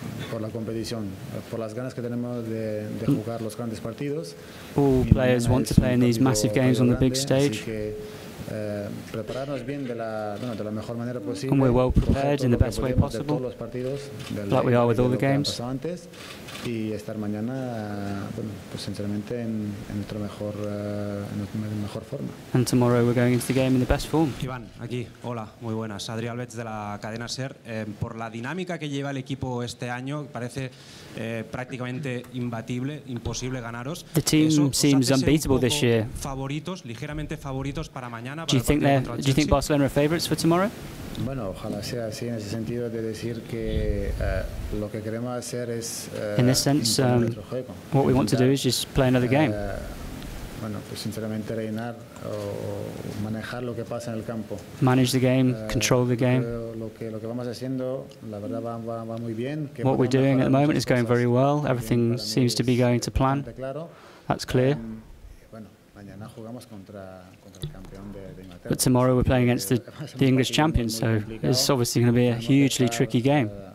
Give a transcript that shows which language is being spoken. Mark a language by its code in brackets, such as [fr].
[es] Por la competición, por las ganas que tenemos de jugar los grandes partidos. [en] All players want to play in these massive games on the big stage. [es] Prepararnos bien de la mejor manera posible. [en] And we're well prepared in the best way possible. [es] Todos los partidos, [en] like we are with all the games. [es] Y estar mañana, sinceramente, en nuestra mejor, mejor forma. [en] And tomorrow we're going into the game in the best form. [es] Iván, aquí, hola, muy buenas. Adri Alves de la cadena SER. Por la dinámica que lleva el equipo este año, parece prácticamente imbatible, imposible ganaros. [en] The team seems unbeatable this year. [es] Favoritos, ligeramente favoritos para mañana. [en] Do you think Barcelona are favorites for tomorrow? [es] Bueno, ojalá sea así en ese sentido de decir que lo que queremos hacer es [en] in this sense, what we want to do is just play another game. [es] Bueno, pues sinceramente reinar o manejar lo que pasa en el campo. [en] Manage the game, control the game. [es] Lo que vamos haciendo, la verdad va muy bien. [en] What we're doing at the moment is going very well. Everything seems to be going to plan. That's clear. [es] Mañana jugamos contra el campeón de Inglaterra. [en] But tomorrow we're playing against the English champion, so it's obviously going to be a hugely tricky game.